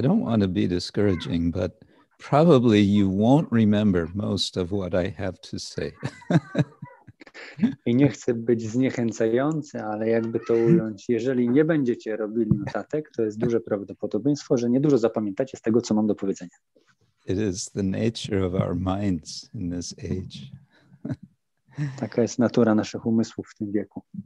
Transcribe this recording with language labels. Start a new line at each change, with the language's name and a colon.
English: I don't want to be discouraging, but probably you won't remember most of what I have to say.
Polish: I nie chcę być zniechęcający, ale jakby to ująć, jeżeli nie będziecie robili notatek, to jest duże prawdopodobieństwo, że niedużo zapamiętacie z tego, co mam do powiedzenia.
English: It is the nature of our minds in this age.
Polish: Taka jest natura naszych umysłów w tym wieku.